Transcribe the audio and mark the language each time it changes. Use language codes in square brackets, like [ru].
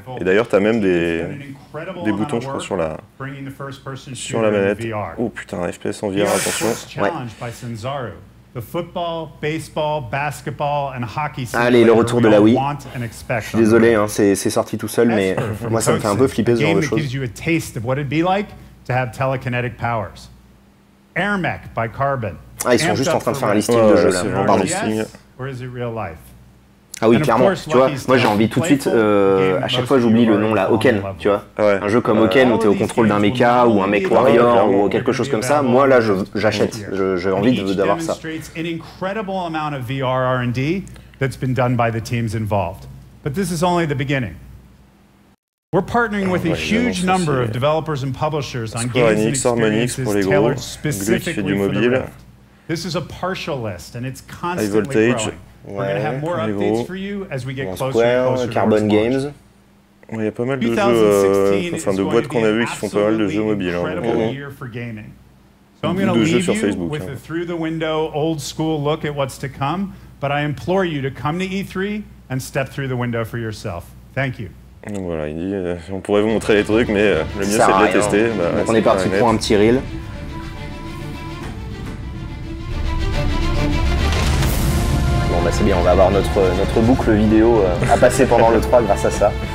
[fr] Et d'ailleurs, t'as même des boutons, je crois, sur la manette. Oh putain, FPS en VR, attention. Ouais. [en] The football, baseball, basketball, and hockey season. [fr] Allez, le retour de la Wii. Je suis désolé, hein, c'est sorti tout seul, mais moi ça me fait un peu flipper ce genre de choses. [en] Game gives you a taste of what it'd be like to have telekinetic powers. Air Mech by Carbon. [fr] Ah, ils sont juste en train de faire un listing de jeux là. Pardon. [en] Or is it real life? [fr] Ah oui, clairement, tu vois, moi j'ai envie tout de suite, à chaque fois j'oublie le nom là, Oken, tu vois. Ouais. Un jeu comme Oken où t'es au contrôle d'un mecha ou un mech warrior ou quelque chose comme ça, moi là j'achète, j'ai envie d'avoir ça. [en] An incredible amount of VR R&D that's been done by the teams involved. But this is only the beginning. We're partnering with a huge number of developers and publishers on games and experiences tailored specifically. This is a partial list and it's constantly growing. [fr] Ouais, [en] we're gonna have more updates for you as we get closer. Carbon Games. [fr] Il y a pas mal de jeux, enfin de boîtes qu'on a vues qui font pas mal de jeux mobiles. Hein, donc, de jeux sur Facebook. [en] With a through the window old school look at what's to come, but I implore you to come to E3 and step through the window for yourself. Thank you. [fr] Voilà, il dit, on pourrait vous montrer les trucs, mais le mieux c'est de les tester. Bah, donc on est parti pour un petit reel. Bah c'est bien, on va avoir notre boucle vidéo à passer pendant le 3 grâce à ça.